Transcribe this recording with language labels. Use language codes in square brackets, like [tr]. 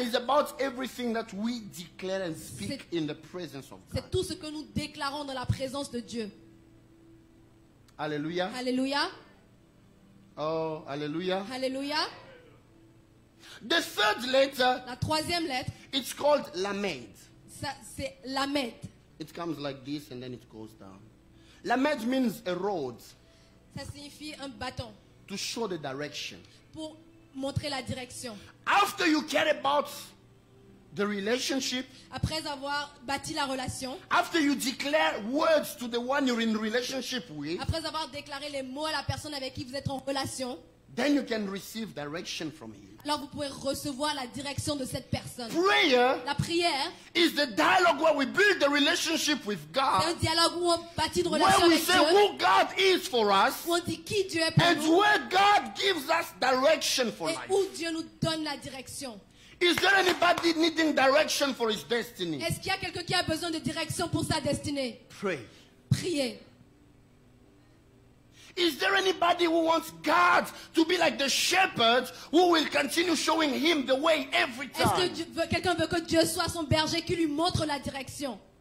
[en] is about everything that we declare and speak in the presence of God. [fr] C'est tout ce que nous déclarons dans la présence de Dieu. Alléluia. Alléluia. Oh, alléluia. Alléluia. [en] The third letter, [fr] la troisième lettre, [en] it's called lamed. [fr] Ça, c'est lamed. [en] It comes like this and then it goes down. Lamed means a rod. [fr] Ça signifie un bâton. [en] To show the direction. [fr] Pour montrer la direction. [en] After you care about the relationship, [fr] après avoir bâti la relation, [en] after you declare words to the one you're in relationship with, [fr] après avoir déclaré les mots à la personne avec qui vous êtes en relation, [en] then you can receive direction from him. [fr] Alors vous pouvez recevoir la direction de cette personne. [en] Prayer, [fr] la prière, [en] is the dialogue where we build the relationship with God. [fr] C'est un dialogue où on bâtit une relation avec Dieu. [en] Where we say who God is for us. [fr] Où on dit qui Dieu est pour nous. [en] And where God gives us direction for life. [fr] Et où Dieu nous donne la direction. [en] Is there anybody needing direction for his destiny? [fr] Est-ce qu'il y a quelqu'un qui a besoin de direction pour sa destinée? [en] Pray. [fr] Priez. [en] Is there anybody who wants God to be like the shepherd who will continue showing him the way every time? [fr] Est-ce que quelqu'un veut que Dieu soit son berger qui lui montre la direction?